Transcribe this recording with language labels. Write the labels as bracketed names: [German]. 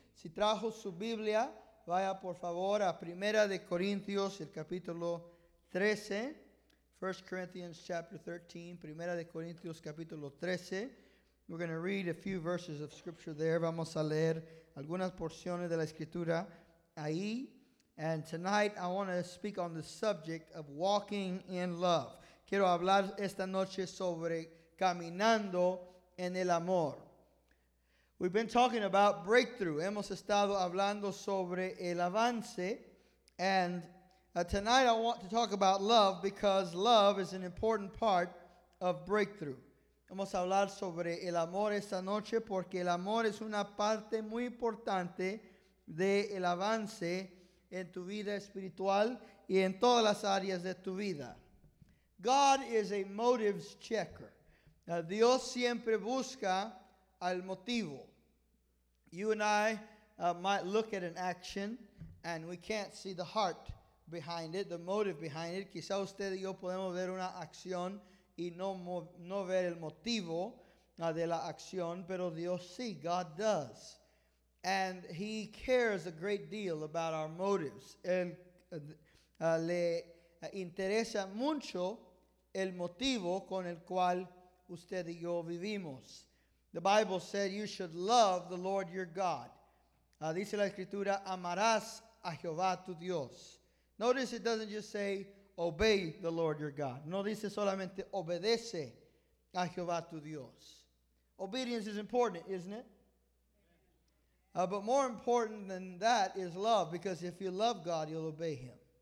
[Spanish] Si trajo su Biblia, vaya por favor a Primera de Corintios, el capítulo 13. [English] 1 Corinthians chapter 13, [Spanish] Primera de Corintios, capítulo 13. [English] We're going to read a few verses of scripture there. [Spanish] Vamos a leer algunas porciones de la escritura ahí. [English] And tonight I want to speak on the subject of walking in love. [Spanish] Quiero hablar esta noche sobre caminando en el amor. [English] We've been talking about breakthrough. [Spanish] Hemos estado hablando sobre el avance. [English] And tonight I want to talk about love because love is an important part of breakthrough. [Spanish] Vamos a hablar sobre el amor esta noche porque el amor es una parte muy importante del avance en tu vida espiritual y en todas las áreas de tu vida. [English] God is a motives checker. [Spanish] Dios siempre busca al motivo. [English] You and I might look at an action and we can't see the heart behind it, the motive behind it. [Spanish] Quizá usted y yo podemos ver una acción y no ver el motivo de la acción, pero Dios sí, [English] God does. And he cares a great deal about our motives. [Spanish] Él le interesa mucho el motivo con el cual usted y yo vivimos. [English] The Bible said you should love the Lord your God. [Spanish] Dice la escritura, amarás a Jehová tu Dios. [English] Notice it doesn't just say obey the Lord your God. [Spanish] No dice solamente obedece a Jehová tu Dios. [English] Obedience is important, isn't it? But more important than that is love, because if you love God, you'll obey him.